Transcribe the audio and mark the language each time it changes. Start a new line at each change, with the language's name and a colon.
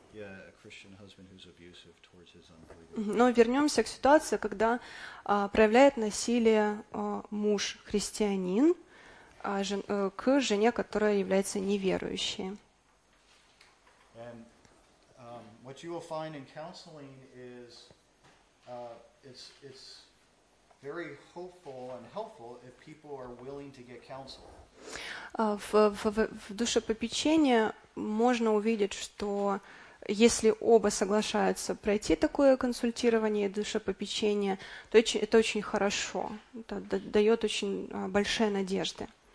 English: Yeah, a Christian husband who's abusive towards his unbelieving wife.
Russian: Но вернемся к ситуации, когда проявляет насилие муж-христианин к жене, которая является неверующей.
English: And what you will find in counseling is it's very hopeful and helpful if people are willing to get counsel.
Russian: В душепопечении можно увидеть, что если оба соглашаются пройти такое консультирование и душепопечение, то это очень хорошо, это дает очень большие надежды.